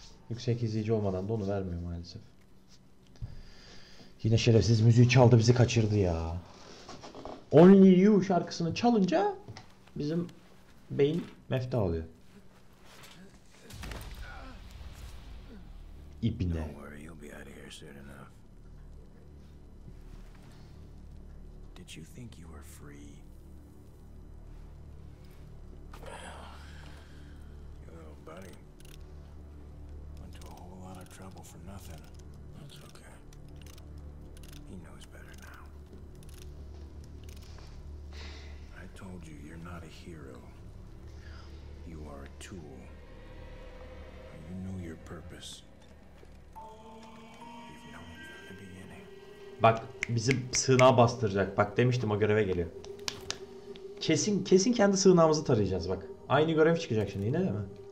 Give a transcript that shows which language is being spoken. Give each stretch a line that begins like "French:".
Turkish: Yüksek izleyici olmadan da onu vermiyor maalesef. Yine şerefsiz müziği çaldı, bizi kaçırdı ya. Only You şarkısını çalınca bizim beyin mefta oluyor. İbne.
English: Don't worry, you'll be out of here soon enough. Did you think you were free? Buddy, went to a whole lot of trouble for nothing. That's okay. He knows better now. I told you, you're not a hero. You are a tool. You know your purpose. You've known it from the beginning.
Turkish: Bak, bizim sığınağa bastıracak. Bak, demiştim o göreve geliyor. Kesin, kesin kendi sığınağımızı tarayacağız bak. Aynı görev çıkacak şimdi yine de mi?